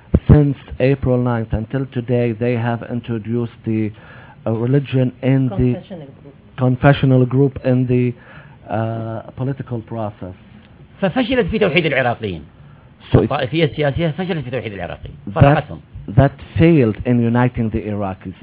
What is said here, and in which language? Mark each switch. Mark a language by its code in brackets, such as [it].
[en] Since April 9th until today, they have introduced the religion in the confessional group in the political process. [ar] ففشلت في توحيد العراقيين. الطائفية السياسية فشلت في توحيد العراقيين. فرقتهم. [en] That failed in uniting the Iraqis.